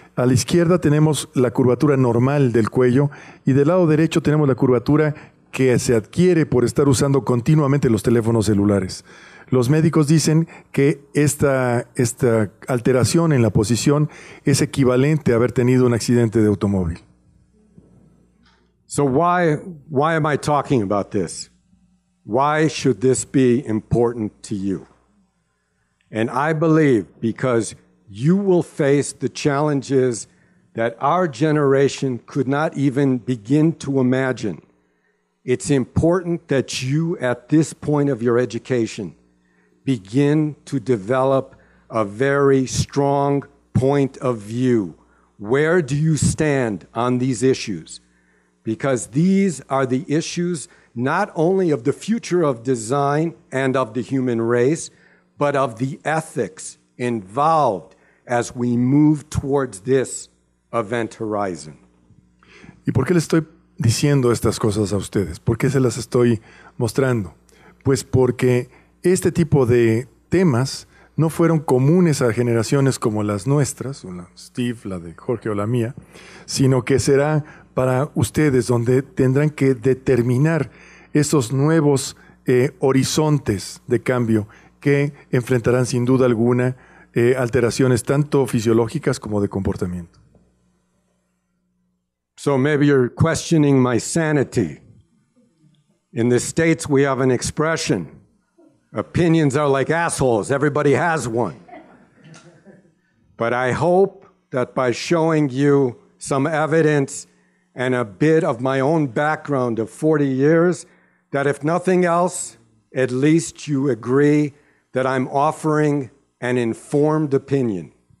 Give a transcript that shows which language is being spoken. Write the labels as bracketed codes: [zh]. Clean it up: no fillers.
[es] A la izquierda tenemos la curvatura normal del cuello y del lado derecho tenemos la curvatura que se adquiere por estar usando continuamente los teléfonos celulares. Los médicos dicen que esta alteración en la posición es equivalente a haber tenido un accidente de automóvil. [en] So why am I talking about this? Why should this be important to you? And I believe because you will face the challenges that our generation could not even begin to imagine. It's important that you, at this point of your education, begin to develop a very strong point of view. Where do you stand on these issues? Because these are the issues not only of the future of design and of the human race, but of the ethics involved as we move towards this event horizon. [es] ¿Y por qué le estoy diciendo estas cosas a ustedes? ¿Por qué se las estoy mostrando? Pues porque este tipo de temas no fueron comunes a generaciones como las nuestras, la Steve, la de Jorge o la mía, sino que será para ustedes donde tendrán que determinar esos nuevos horizontes de cambio que enfrentarán sin duda alguna alteraciones tanto fisiológicas como de comportamiento. [en] So maybe you're questioning my sanity. In the States, we have an expression. Opinions are like assholes. Everybody has one. But I hope that by showing you some evidence and a bit of my own background of 40 years, that if nothing else, at least you agree that I'm offering an informed opinion.